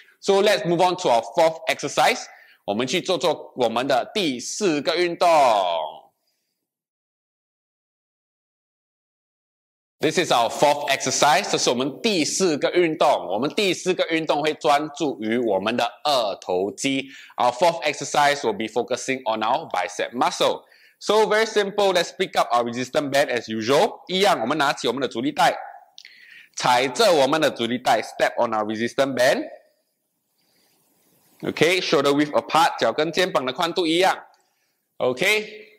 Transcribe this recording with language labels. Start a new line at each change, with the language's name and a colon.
English: So let's move on to our 4th exercise.
Chinese: 我们去做做我们的第四个运动。
English: This is our 4th exercise.
Chinese: 这是我们第四个运动。我们第四个运动会专注于我们的二头肌。
English: Our 4th exercise will be focusing on our bicep muscle. So very simple. Let's pick up our resistant band as usual.
Chinese: 一样，我们拿起我们的阻力带，踩着我们的阻力带 ，
English: step on our resistant band. Okay, shoulder width apart,
Chinese: 脚跟肩膀的宽度一样。Okay.